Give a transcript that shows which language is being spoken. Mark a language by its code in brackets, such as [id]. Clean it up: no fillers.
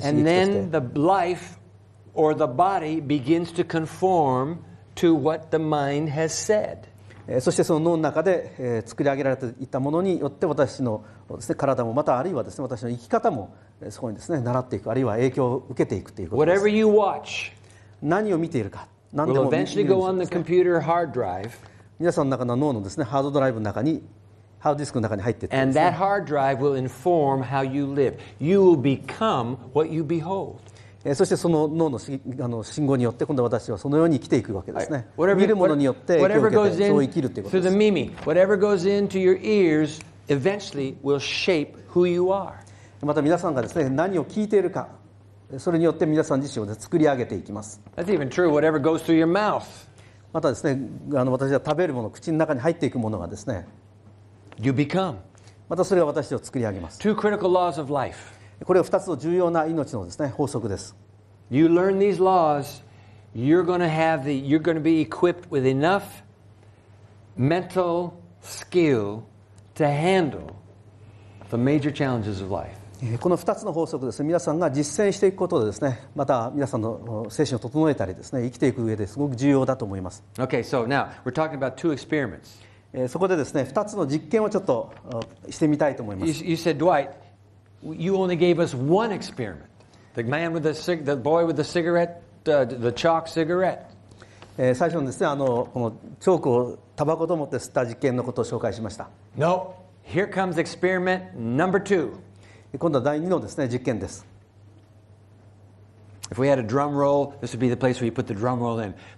[ja] 刺激として。 [en] And then the life or the body begins to conform. To what the mind has said. [ja] そしてその脳の中で作り上げられていたものによって私のですね、体もまたあるいはですね、私の生き方もそこにですね、習っていくあるいは影響を受けていくということです。 [en] Whatever you watch, [ja] 何を見ているか、何でも見ているんですね。 [en] Computer hard drive, [ja] 皆さんの中の脳のですね、ハードドライブの中に、ハードディスクの中に入ってい [en] て、And that hard drive will inform how you live. You will become what you behold. [ja] そしてその脳の信号によって今度私はそのように生きていくわけですね。 [en] Right. [ja] Whatever, 見るものによって影響を受けてそう生きるということです。 [en] Whatever goes into the mimi, whatever goes into your ears, eventually will shape who you are. [ja] また皆さんがですね、何を聞いているか、それによって皆さん自身を、ね、作り上げていきます。 [en] That's even true. Whatever goes through your mouth. [ja] またですね、私が食べるもの、口の中に入っていくものがですね、 [en] you become. [ja] またそれが私を作り上げます。 [en] Two critical laws of life. [ja] これは2つの重要な命のですね、法則です。 [en] You learn these laws, you're going to be equipped with enough mental skill to handle the major challenges of life. [ja] この2つの法則ですね、皆さんが実践していくことでですね、また皆さんの精神を整えたりですね、生きていく上ですごく重要だと思います。 [en] Okay, so now we're talking about two experiments. [ja] そこでですね、2つの実験をちょっとしてみたいと思います。 [en] You said, Dwight,You only gave us one experiment. The man with the boy with the cigarette, the chalk cigarette. [ja] 最初にですね、このチョークをタバコと思って吸った実験のことを紹介しました。 [en] No, here comes experiment number two. [ja] 今度は第二のですね、実験です。 [en] If we had a drum roll, this would be the place where you put the drum roll in.